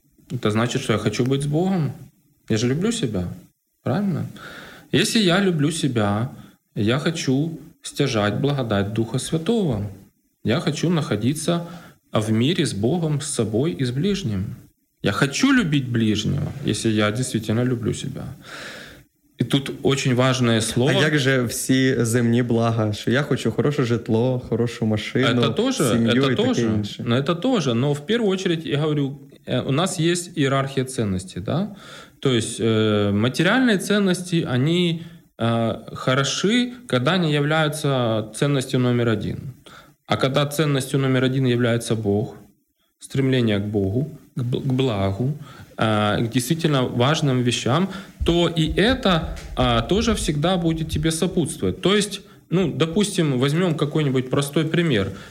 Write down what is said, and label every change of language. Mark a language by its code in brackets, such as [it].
[ru] Это значит, что я хочу быть с Богом. Я же люблю себя. Правильно? Если я люблю себя, я хочу стяжать благодать Духа Святого. Я хочу находиться в мире с Богом, с собой и с ближним. Я хочу любить ближнего, если я действительно люблю себя. [uk] І тут очень важливе слово. А як же всі земні блага? Що я хочу хороше житло, хорошу машину, [ru] это [uk] тоже, сім'ю [ru] это [uk] і тоже, таке інше. Ну, це теж. Но в першу чергу, я говорю, у нас є ієрархія цінностей. Да? Тобто матеріальні цінності, вони хороші, коли не являються цінністю номер один. А коли цінністю номер один являється Бог, [ru] стремлення к Богу, к благу, к действительно важным вещам, то и это тоже всегда будет тебе сопутствовать. То есть, ну, допустим, возьмем какой-нибудь простой пример.